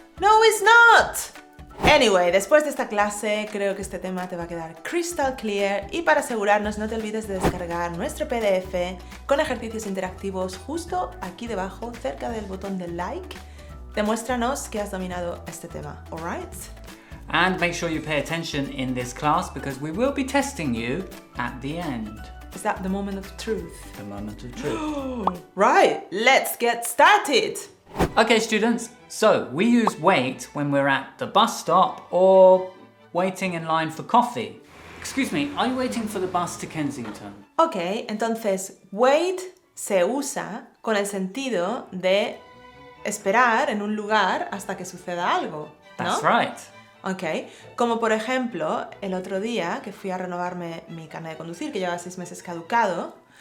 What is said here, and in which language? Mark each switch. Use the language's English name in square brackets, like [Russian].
[English] No, it's not! Anyway, [Spanish] después de esta clase, creo que este tema te va a quedar [English] crystal clear [Spanish] y para asegurarnos, no te olvides de descargar nuestro PDF con ejercicios interactivos justo aquí debajo, cerca del botón de like. Demuéstranos que has dominado este tema, [English] alright? And make sure you pay attention in this class because we will be testing you at the end. Is that the moment of truth? The moment of truth. Right, let's get started! Okay, students. So, we use wait when we're at the bus stop or waiting in line for coffee. Excuse me, are you waiting for the bus to Kensington? [Spanish] Okay, entonces, wait se usa con el sentido de esperar en un lugar hasta que suceda algo, ¿no? [English] That's right. [Spanish] Okay, como por ejemplo, el otro día que fui a renovarme mi carnet de conducir, que llevaba 6 meses caducado.